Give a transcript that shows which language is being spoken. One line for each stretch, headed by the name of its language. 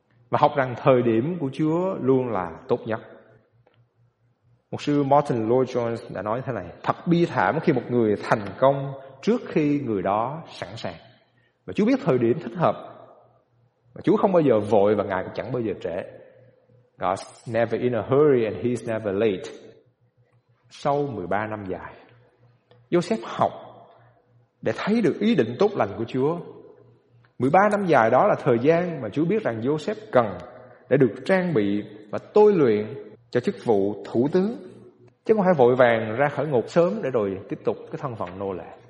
Vietnamese: Và học rằng thời điểm của Chúa luôn là tốt nhất. Mục sư Martin Lloyd-Jones đã nói thế này: thật bi thảm khi một người thành công trước khi người đó sẵn sàng. Và Chúa biết thời điểm thích hợp. Chúa không bao giờ vội và Ngài cũng chẳng bao giờ trễ.
English: God's never in a hurry and He's never late.
Vietnamese: Sau 13 năm dài, Joseph học để thấy được ý định tốt lành của Chúa. 13 năm dài đó là thời gian mà Chúa biết rằng Joseph cần để được trang bị và tôi luyện cho chức vụ thủ tướng, chứ không phải vội vàng ra khỏi ngục sớm để rồi tiếp tục cái thân phận nô lệ.